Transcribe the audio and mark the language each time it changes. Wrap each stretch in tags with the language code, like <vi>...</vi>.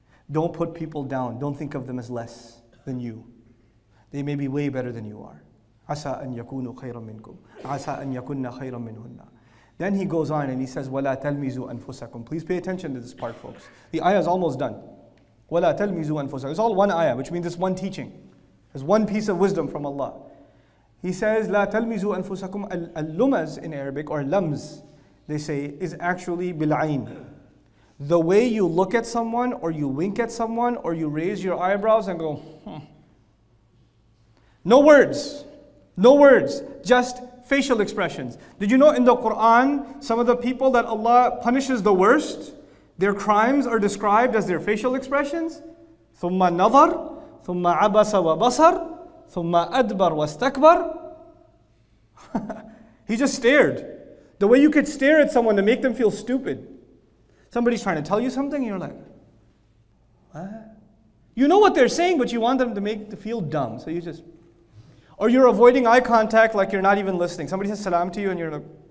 <en>Don't put people down. Don't think of them as less than you. They may be way better than you are.</en> <ar>عَسَىٰ أَن يَكُونُوا خَيْرًا مِنْكُمْ عَسَىٰ أَن يَكُنَّ خَيْرًا مِنْهُنَّ.</ar> <en>Then he goes on and he says, وَلَا تَلْمِزُوا أَنفُسَكُمْ. Please pay attention to this part, folks. The ayah is almost done. وَلَا تَلْمِزُوا أَنفُسَكُمْ. It's all one ayah, which means it's one teaching. It's one piece of wisdom from Allah.</en> <ar>He says, لَا تَلْمِزُوا أَنفُسَكُمْ.</ar> <en>اللُّمَز in Arabic, or lams, they say, is actually بِالْعَيْن. The way you look at someone, or you wink at someone, or you raise your eyebrows and go, No words. No words. Just facial expressions. Did you know in the Quran, some of the people that Allah punishes the worst, their crimes are described as their facial expressions?</en> <ar>ثُمَّ نَظَرْ ثُمَّ عَبَسَ وَبَصَرْ ثُمَّ أَدْبَرْ وَاسْتَكْبَرْ He just stared.</ar> <en>The way you could stare at someone to make them feel stupid. Somebody's trying to tell you something, you're like, what? You know what they're saying, but you want them to make to feel dumb. So you just... Or you're avoiding eye contact like you're not even listening. Somebody says salam to you and you're like...</en>